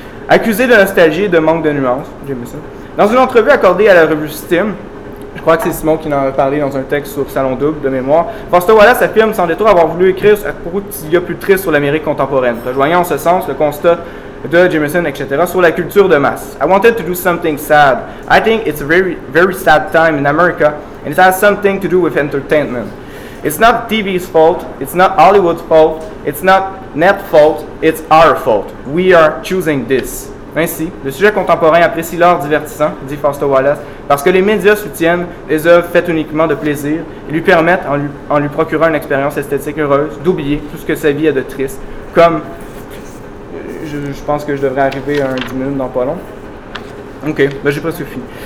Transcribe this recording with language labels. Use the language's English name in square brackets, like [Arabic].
[French] Accusé de nostalgie et de manque de nuances, Jameson, dans une entrevue accordée à la revue Steam, je crois que c'est Simon qui en a parlé dans un texte sur Salon Double de mémoire, Foster Wallace affirme sans détour avoir voulu écrire à propos de ce qu'il y a plus triste sur l'Amérique contemporaine, rejoignant en ce sens le constat de Jameson, etc., sur la culture de masse. [English] I wanted to do something sad. I think it's a very, very sad time in America, and it has something to do with entertainment. It's not TV's fault, it's not Hollywood's fault, it's not Net's fault, it's our fault. We are choosing this. [French] Ainsi, le sujet contemporain apprécie l'art divertissant, dit Foster Wallace, parce que les médias soutiennent les œuvres faites uniquement de plaisir et lui permettent, en lui procurant une expérience esthétique heureuse, d'oublier tout ce que sa vie a de triste, comme je pense que je devrais arriver à un 10 minutes dans pas long. Ok, ben j'ai presque fini.